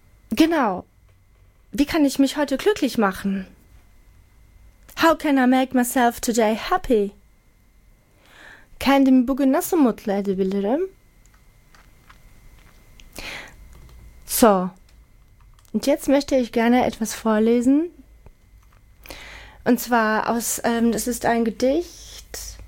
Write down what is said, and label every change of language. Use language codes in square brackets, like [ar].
[de] Genau. Wie kann ich mich heute glücklich machen? [en] How can I make myself today happy? [tr] Kendimi bugün nasıl mutlu edebilirim? [de] So. Und jetzt möchte ich gerne etwas vorlesen. Und zwar aus, das ist ein Gedicht.